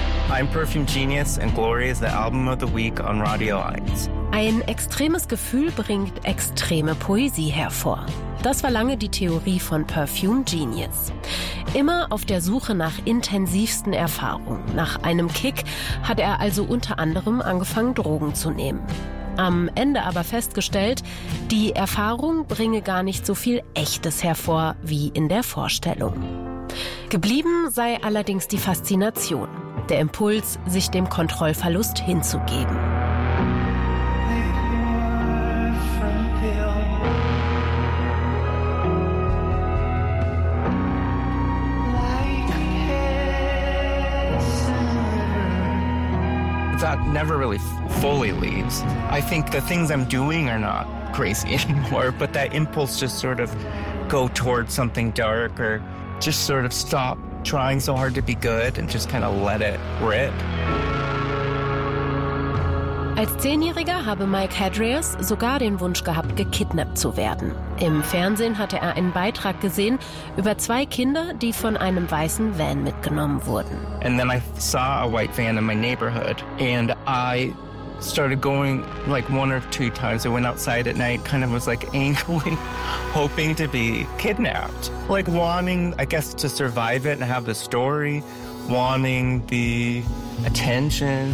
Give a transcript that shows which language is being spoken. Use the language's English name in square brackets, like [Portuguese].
[English] I'm Perfume Genius and Glory is the album of the week on Radio 1. [German] Ein extremes Gefühl bringt extreme Poesie hervor. Das war lange die Theorie von Perfume Genius. Immer auf der Suche nach intensivsten Erfahrungen. Nach einem Kick hat er also unter anderem angefangen, Drogen zu nehmen. Am Ende aber festgestellt, die Erfahrung bringe gar nicht so viel Echtes hervor wie in der Vorstellung. Geblieben sei allerdings die Faszination. der Impuls, sich dem Kontrollverlust hinzugeben. [English] That never really fully leaves. I think the things I'm doing are not crazy anymore, but that impulse just sort of go towards something dark or just sort of stop trying so hard to be good and just kind of let it rip. [German] Als Zehnjähriger habe Mike Hadrias sogar den Wunsch gehabt, gekidnappt zu werden. Im Fernsehen hatte er einen Beitrag gesehen über zwei Kinder, die von einem weißen Van mitgenommen wurden. [English] And then I saw a white van in my neighborhood and I started going like one or two times. I went outside at night, kind of was like angling, hoping to be kidnapped. Like wanting, I guess, to survive it and have the story, wanting the attention.